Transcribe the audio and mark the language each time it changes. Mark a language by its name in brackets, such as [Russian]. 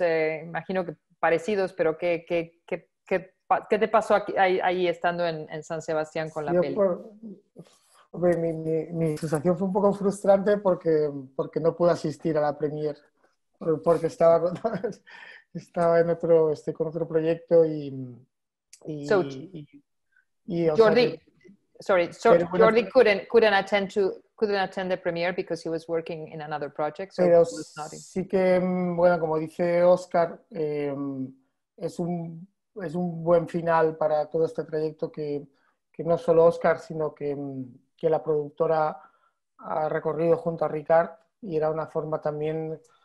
[Spanish] Imagino que parecidos, pero ¿qué te pasó ahí estando en San Sebastián con la peli? Mi sensación fue un poco frustrante porque no pude asistir a la premier, porque estaba en otro, con otro proyecto [English] Jordi couldn't attend the premiere because he was working in another project. [Spanish] Pero sí que, bueno, como dice Óscar, es un buen final para todo este trayecto que no solo Óscar, sino que la productora ha recorrido junto a Ricard, y era una forma también.